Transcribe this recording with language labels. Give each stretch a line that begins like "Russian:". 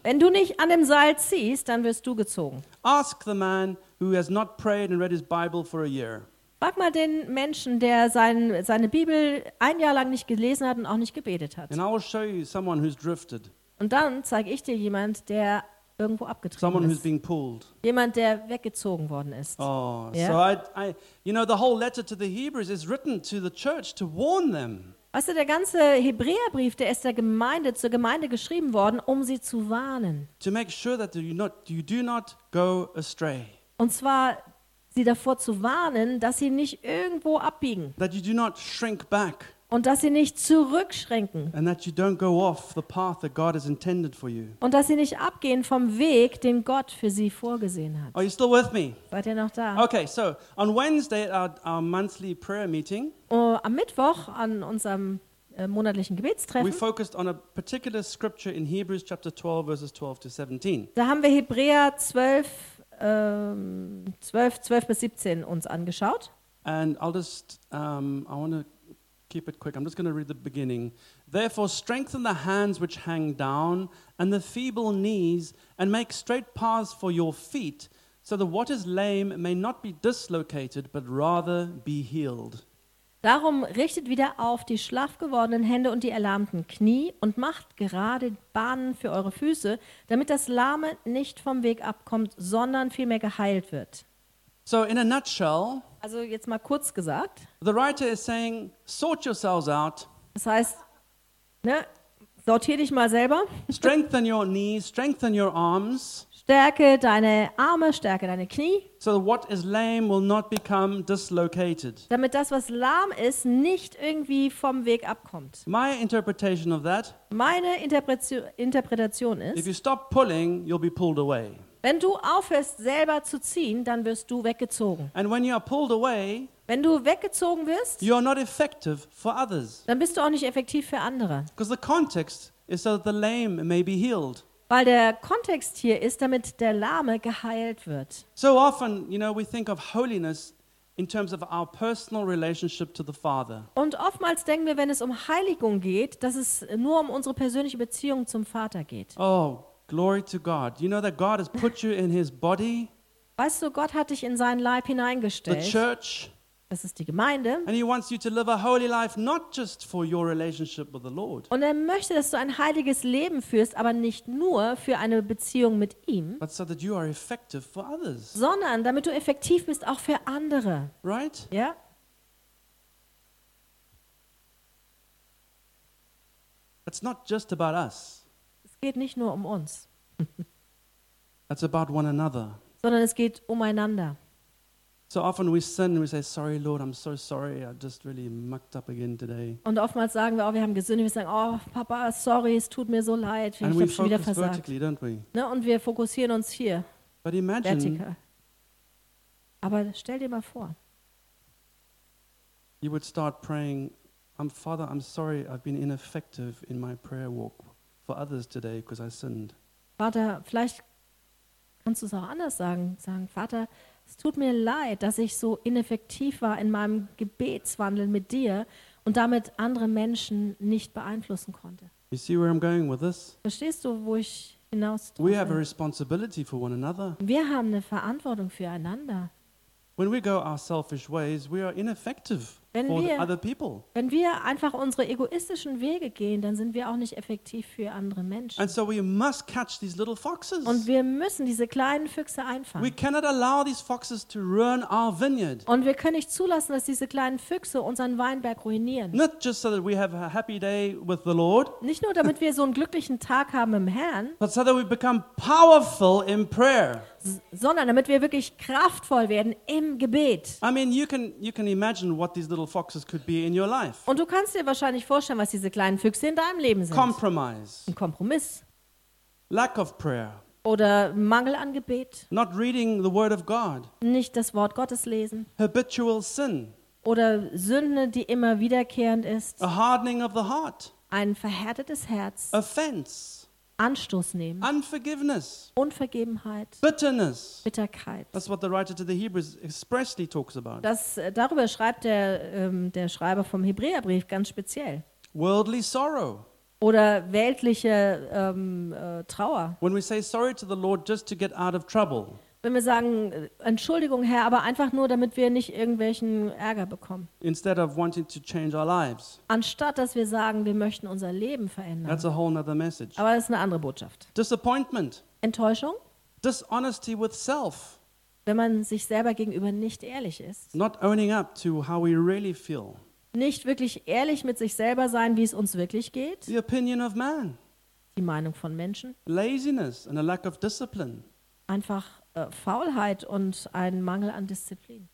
German: Wenn du nicht an dem Seil ziehst, dann wirst du gezogen.
English: Ask the man who has not prayed and read his Bible for a year.
German: Frag mal den Menschen, der seine Bibel ein Jahr lang nicht gelesen hat und auch nicht gebetet hat.
English: And I will show you someone who's drifted.
German: Und dann zeige ich dir jemand, der irgendwo abgetrieben
English: someone
German: ist.
English: Who's being pulled.
German: Jemand, der weggezogen worden ist.
English: Oh, yeah? So the whole letter to the Hebrews is written to the church to warn them.
German: Weißt du, der ganze Hebräerbrief, der ist zur Gemeinde geschrieben worden, um sie zu warnen.
English: To make sure that you do not go astray.
German: Und zwar sie davor zu warnen, dass sie nicht irgendwo abbiegen.
English: That you do not shrink back.
German: Und dass sie nicht zurückschränken.
English: And that you don't go off the path that God has intended for you.
German: Und dass sie nicht abgehen vom Weg, den Gott für sie vorgesehen hat.
English: Are you still with me?
German: Seid ihr noch da?
English: Okay, so on Wednesday at our monthly prayer meeting.
German: Am Mittwoch an unserem monatlichen Gebetstreffen.
English: We focused on a particular scripture in Hebrews chapter 12 verses 12 to 17.
German: Da haben wir Hebräer 12 bis 17 uns angeschaut.
English: And I'll just I want to keep it quick. I'm just going to read the beginning. Therefore strengthen the hands which hang down and the feeble knees and make straight paths for your feet so that what is lame may not be dislocated but rather be healed.
German: Darum richtet wieder auf die schlaff gewordenen Hände und die erlahmten Knie und macht gerade Bahnen für eure Füße, damit das Lahme nicht vom Weg abkommt, sondern vielmehr geheilt wird.
English: So in a nutshell,
German: also jetzt mal kurz gesagt,
English: the writer is saying, sort yourselves out.
German: Das heißt, ne, sortier dich mal selber.
English: Strengthen your knees, strengthen your arms.
German: Stärke deine Arme, stärke deine Knie.
English: So what is lame will not become dislocated.
German: Damit das, was lahm ist, nicht irgendwie vom Weg abkommt.
English: My interpretation of that.
German: Meine Interpretation ist.
English: If you stop pulling, you'll be pulled away.
German: Wenn du aufhörst, selber zu ziehen, dann wirst du weggezogen.
English: And when you are pulled away.
German: Wenn du weggezogen wirst.
English: You are not effective for others.
German: Dann bist du auch nicht effektiv für andere.
English: Because the context is so that the lame may be healed.
German: Weil der Kontext hier ist, damit der Lahme geheilt wird.
English: So often, you know, we think of holiness in terms of our personal relationship to the Father.
German: Und oftmals denken wir, wenn es um Heiligung geht, dass es nur um unsere persönliche Beziehung zum Vater geht.
English: Oh, glory to God. You know that God has put you in his body?
German: Weißt du, Gott hat dich in seinen Leib hineingestellt.
English: The church.
German: Das ist die Gemeinde.
English: And he wants you to live a holy life, not just for your relationship with the Lord.
German: Und er möchte, dass du ein heiliges Leben führst, aber nicht nur für eine Beziehung mit ihm.
English: But so that you are effective for others.
German: Sondern damit du effektiv bist auch für andere.
English: Right?
German: Ja.
English: It's not just about us.
German: Es geht nicht nur um uns.
English: It's about one another.
German: Sondern es geht umeinander.
English: So often we sin and we say, sorry, Lord, I'm so sorry, I just really mucked up again today.
German: Und oftmals sagen wir auch, wir haben gesündigt, wir sagen, oh, Papa, sorry, es tut mir so leid, ich habe schon wieder versagt.
English: Vertically, don't we?
German: Ne? Und wir fokussieren uns hier,
English: but imagine,
German: vertical. Aber stell dir mal vor,
English: you would start praying, Father, I'm sorry, I've been ineffective in my prayer walk for others today, because I sinned.
German: Vater, vielleicht kannst du es auch anders sagen, Vater, es tut mir leid, dass ich so ineffektiv war in meinem Gebetswandel mit dir und damit andere Menschen nicht beeinflussen konnte.
English: You see where I'm going with this?
German: Verstehst du, wo ich hinaus will?
English: We have a responsibility for one another.
German: Wir haben eine Verantwortung füreinander.
English: When we go our selfish ways, we are ineffective for other people.
German: Wenn wir einfach unsere egoistischen Wege gehen, dann sind wir auch nicht effektiv für andere Menschen.
English: And so we must catch these little foxes.
German: Und wir müssen diese kleinen Füchse einfangen.
English: We cannot allow these foxes to ruin our vineyard.
German: Und wir können nicht zulassen, dass diese kleinen Füchse unseren Weinberg ruinieren.
English: Not just so that we have a happy day with the Lord.
German: Nicht nur, damit wir so einen glücklichen Tag haben im Herrn.
English: But so that we become powerful in prayer.
German: Sondern damit wir wirklich kraftvoll werden im Gebet.
English: I mean, you can imagine what these little foxes could be in your life.
German: Und du kannst dir wahrscheinlich vorstellen, was diese kleinen Füchse in deinem Leben sind.
English: Compromise.
German: Ein Kompromiss.
English: Lack of prayer.
German: Oder Mangel an Gebet.
English: Not reading the word of God.
German: Nicht das Wort Gottes lesen.
English: Habitual sin.
German: Oder Sünde, die immer wiederkehrend ist.
English: A hardening of the heart.
German: Ein verhärtetes Herz.
English: Offense.
German: Anstoß nehmen.
English: Unforgiveness.
German: Unvergebenheit.
English: Bitterness.
German: Bitterkeit.
English: That's what the writer to the Hebrews expressly talks about.
German: Das darüber schreibt der Schreiber vom Hebräerbrief ganz speziell.
English: Worldly sorrow.
German: Oder weltliche Trauer.
English: When we say sorry to the Lord just to get out of trouble.
German: wenn wir sagen, Entschuldigung, Herr, aber einfach nur, damit wir nicht irgendwelchen Ärger bekommen.
English: Instead of wanting to change our lives.
German: Anstatt, dass wir sagen, wir möchten unser Leben verändern.
English: That's a whole other message.
German: Aber das ist eine andere Botschaft.
English: Disappointment.
German: Enttäuschung.
English: Dishonesty with self.
German: Wenn man sich selber gegenüber nicht ehrlich ist.
English: Not owning up to how we really feel.
German: Nicht wirklich ehrlich mit sich selber sein, wie es uns wirklich geht.
English: The opinion of man.
German: Die Meinung von Menschen.
English: Laziness and a lack of discipline.
German: Einfach Faulheit und ein Mangel an Disziplin.